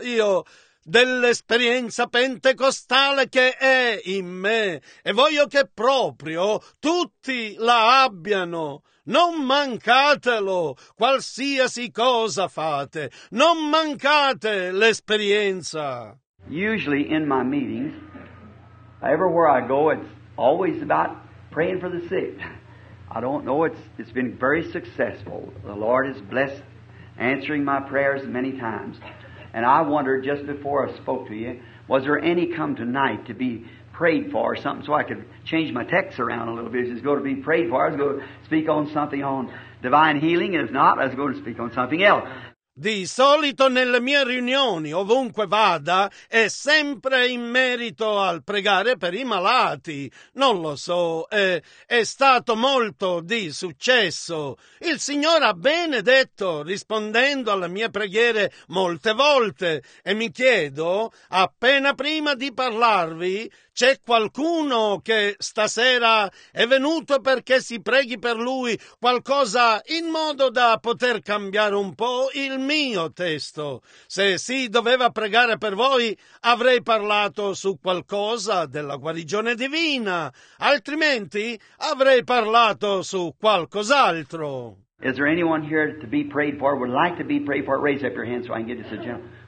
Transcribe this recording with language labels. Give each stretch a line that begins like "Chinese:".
Italian: Io dell'esperienza pentecostale che è in me e voglio che proprio tutti la abbiano. Non mancatelo, qualsiasi cosa fate, non mancate l'esperienza.
English: Usually in my meetings, everywhere I go, it's always about praying for the sick. I don't know, it's been very successful. The Lord has blessed answering my prayers many times. And I wondered just before I spoke to you, was there any come tonight to be prayed for or something so I could change my text around a little bit? Is it going to be prayed for? I was going to speak on something on divine healing. If not, I was going to speak on something else.
Italian: Di solito nelle mie riunioni, ovunque vada, è sempre in merito al pregare per i malati. Non lo so, è stato molto di successo. Il Signore ha benedetto rispondendo alle mie preghiere molte volte e mi chiedo, appena prima di parlarvi, c'è qualcuno che stasera è venuto perché si preghi per lui qualcosa in modo da poter cambiare un po' il mio testo. Se si doveva pregare per voi, avrei parlato su qualcosa della guarigione divina, altrimenti avrei parlato su qualcos'altro.
English: Is there anyone here to be prayed for, would like to be prayed for? Raise up your hand so I can get this a gentle.